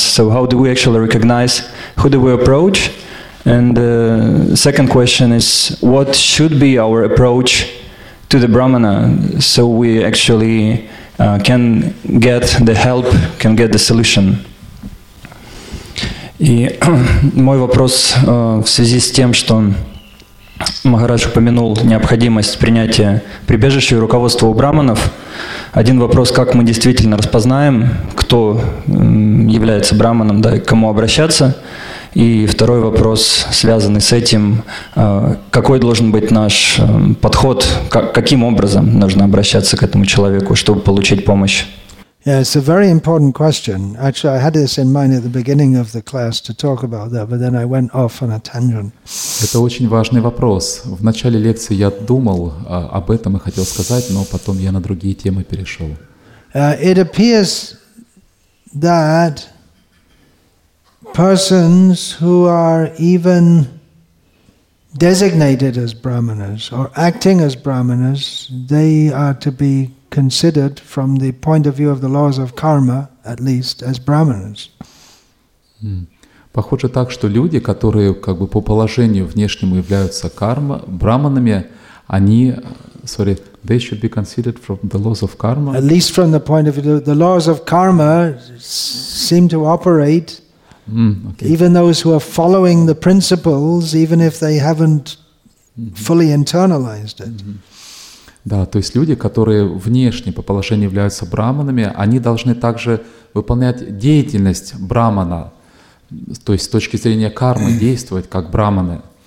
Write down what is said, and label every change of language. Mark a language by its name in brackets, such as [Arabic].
[English] So how do we actually recognize who do we approach? And the second question is, what should be our approach to the Brahmana so we actually can get the help, can get the solution. [Russian] И мой вопрос в связи с тем, что Махарадж упомянул необходимость принятия прибежища и руководства у брахманов. Один вопрос, как мы действительно распознаем, кто является брахманом, да, к кому обращаться. И второй вопрос, связанный с этим, какой должен быть наш подход, каким образом нужно обращаться к этому человеку, чтобы получить помощь? [English] Yeah, it's a very important question. Actually, I had this in mind at the beginning of the class to talk about that, but then I went off on a tangent. [Russian] Это очень важный вопрос. В начале лекции я думал об этом и хотел сказать, но потом я на другие темы перешел. [English] It appears that persons who are even designated as brahmanas or acting as brahmanas, they are to be considered from the point of view of the laws of karma, at least, as brahmanas. [Russian] Похоже так, что люди, которые как бы по положению внешнему являются карма, брахманами, они, [English] sorry, they should be considered from the laws of karma. At least from the point of view, the laws of karma seem to operate. Okay. Even those who are following the principles, even if they haven't fully internalized it. [Russian] Да, то есть люди, которые внешне по положению являются брахманами, они должны также выполнять деятельность брахмана, то есть с точки зрения кармы действовать как брахманы.